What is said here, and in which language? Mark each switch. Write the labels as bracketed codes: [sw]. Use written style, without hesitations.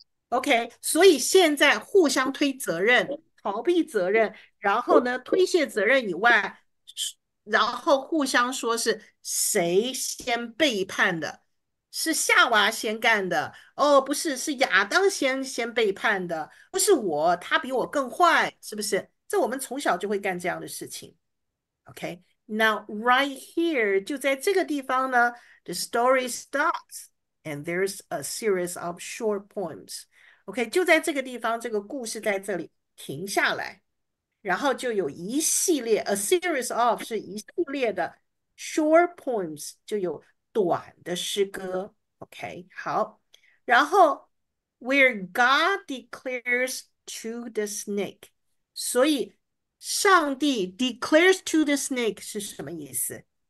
[zh] OK，所以现在互相推责任，逃避责任，然后呢，推卸责任以外。然后互相说是谁先背叛的，是夏娃先干的，哦，不是，是亚当先背叛的，不是我，他比我更坏，是不是？这我们从小就会干这样的事情。 [en] OK，now、okay? right here [zh] 就在这个地方呢， [en] the story starts and there's a series of short poems。 [zh] OK，就在这个地方，这个故事在这里停下来。然后就有一系列， [en] a series of [zh] 是一系列的 [en] short poems， [zh] 就有短的诗歌。 [en] OK， [zh] 好。然后 [en] where God declares to the snake， [zh] 所以上帝 [en] declares to the snake [zh] 是什么意思？